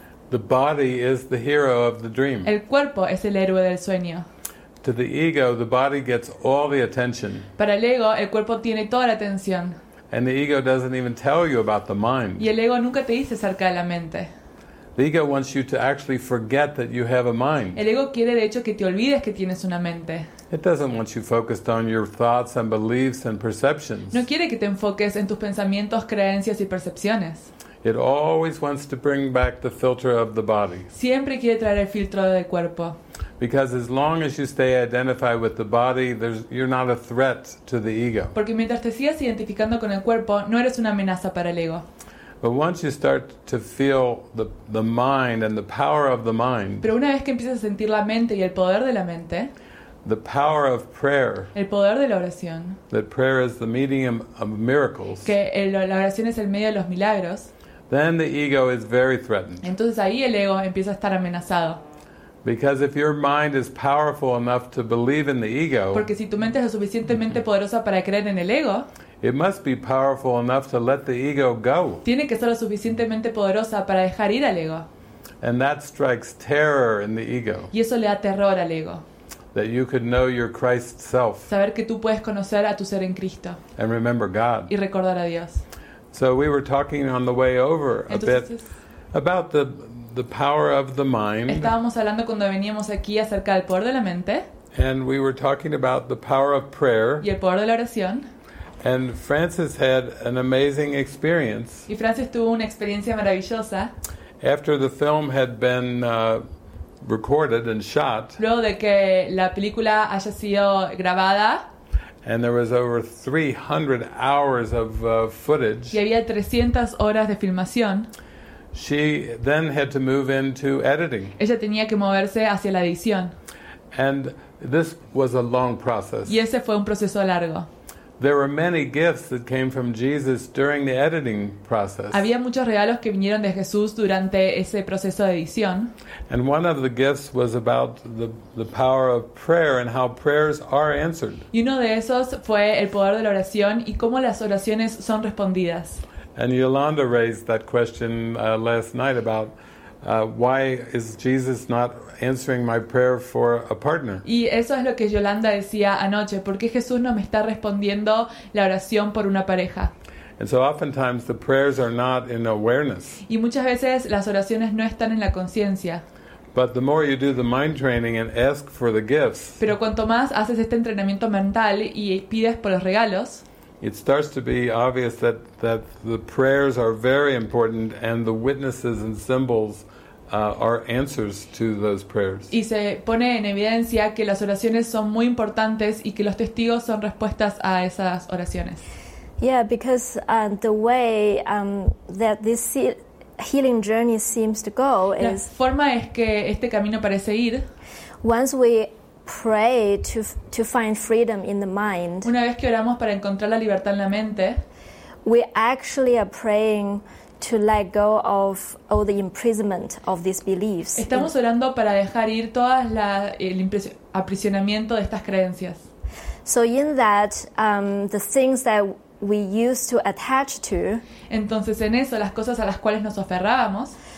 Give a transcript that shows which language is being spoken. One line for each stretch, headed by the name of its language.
English: The body is the hero of the dream.
Spanish: El cuerpo es el héroe del sueño.
English: To the ego, the body gets all the attention.
Spanish: Para el ego, el cuerpo tiene toda la atención.
English: And the ego doesn't even tell you about the mind.
Spanish: Y el ego nunca te dice acerca de la mente.
English: The ego wants you to actually forget that you have a mind.
Spanish: El ego quiere de hecho que te olvides que tienes una mente.
English: It doesn't want you focused on your thoughts and beliefs and perceptions.
Spanish: No quiere que te enfoques en tus pensamientos, creencias y percepciones.
English: It always wants to bring back the filter of the body.
Spanish: Siempre quiere traer el filtro del cuerpo.
English: Because as long as you stay identified with the body, you're not a threat to the ego.
Spanish: Porque mientras te sigas identificando con el cuerpo, no eres una amenaza para el ego.
English: But once you start to feel the mind and the power of the mind.
Spanish: Pero una vez que empiezas a sentir la mente y el poder de la mente.
English: The power of prayer.
Spanish: El poder de la oración.
English: That prayer is the medium of miracles.
Spanish: Que la oración es el medio de los milagros.
English: Then the ego is very threatened.
Spanish: Entonces ahí el ego empieza a estar amenazado.
English: Because if your mind is powerful enough to believe in the ego.
Spanish: Porque si tu mente es lo suficientemente poderosa para creer en el ego.
English: It must be powerful enough to let the ego go.
Spanish: Tiene que ser lo suficientemente poderosa para dejar ir al ego.
English: And that strikes terror in the ego.
Spanish: Y eso le da terror al ego.
English: That you could know your Christ self.
Spanish: Saber que tú puedes conocer a tu ser en Cristo.
English: And remember God.
Spanish: Y recordar a Dios.
English: So we were talking on the way over a
Spanish: Entonces,
English: bit about the the power of the mind.
Spanish: Estábamos hablando cuando veníamos aquí acerca del poder de la mente.
English: And we were talking about the power of prayer.
Spanish: Y el poder de la oración.
English: And Francis had an amazing experience.
Spanish: Y Francis tuvo una experiencia maravillosa.
English: After the film had been recorded and shot.
Spanish: Luego de que la película haya sido grabada.
English: And there was over 300 hours of footage.
Spanish: Y había 300 horas de filmación.
English: She then had to move into editing.
Spanish: Ella tenía que moverse hacia la edición.
English: And this was a long process.
Spanish: Y ese fue un proceso largo.
English: There were many gifts that came from Jesus during the editing process.
Spanish: Había muchos regalos que vinieron de Jesús durante ese proceso de edición.
English: And one of the gifts was about the power of prayer and how prayers are answered.
Spanish: Y uno de esos fue el poder de la oración y cómo las oraciones son respondidas.
English: And Yolanda raised that question last night about why is Jesus not answering my prayer for a partner?
Spanish: Y eso es lo que Yolanda decía anoche, ¿por qué Jesús no me está respondiendo la oración por una pareja?
English: And so oftentimes the prayers are not in awareness.
Spanish: Y muchas veces las oraciones no están en la conciencia.
English: But the more you do the mind training and ask for the gifts.
Spanish: Pero cuanto más haces este entrenamiento mental y pides por los regalos,
English: it starts to be obvious that the prayers are very important and the witnesses and symbols are answers to those prayers.
Spanish: Y se pone en evidencia que las oraciones son muy importantes y que los testigos son respuestas a esas oraciones.
English: Yeah, because the way that this healing journey seems to go is
Spanish: la forma es que este camino parece ir.
English: Once we pray to find freedom in the mind.
Spanish: Una vez que oramos para encontrar la libertad en la mente,
English: we actually are praying to let go of all the imprisonment of these beliefs.
Spanish: Estamos orando para dejar ir todas el aprisionamiento de estas creencias.
English: So in that, the things that we used to attach to.
Spanish: Entonces en eso las cosas a las cuales nos aferrábamos.